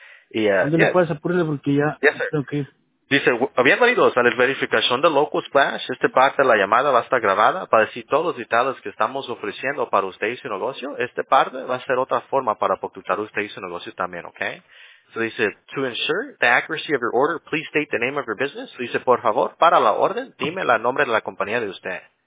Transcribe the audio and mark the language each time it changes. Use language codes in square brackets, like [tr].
[es] Y puedes apurarle porque ya... [en] Yes, sir. Okay. [es] Dice, bienvenidos a la verificación de Locust Flash. Esta parte de la llamada va a estar grabada para decir todos los detalles que estamos ofreciendo para usted y su negocio. Esta parte va a ser otra forma para apuntar usted y su negocio también, ¿ok? [en] So [es] dice, [en] to ensure the accuracy of your order, please state the name of your business. [es] So dice, por favor, para la orden, dime el nombre de la compañía de usted.